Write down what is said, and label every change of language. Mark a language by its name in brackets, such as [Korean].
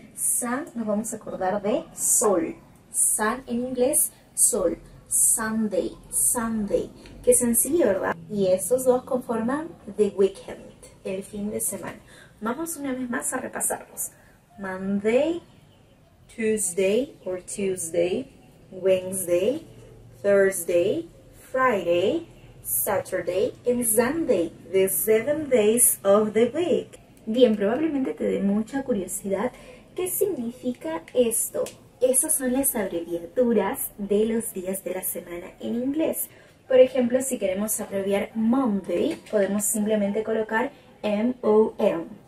[Spanish] Sun, nos vamos a acordar de sol. Sun en inglés, sol. Sunday, Sunday. Qué sencillo, ¿verdad? Y esos dos conforman [English] the weekend, [Spanish] el fin de semana. Vamos una vez más a repasarlos. [English] Monday, Tuesday or Tuesday, Wednesday, Thursday, Friday, Saturday and Sunday, the 7 days of the week. [Spanish] Bien, probablemente te dé mucha curiosidad qué significa esto. Esas son las abreviaturas de los días de la semana en inglés. Por ejemplo, si queremos abreviar Monday, podemos simplemente colocar M-O-M.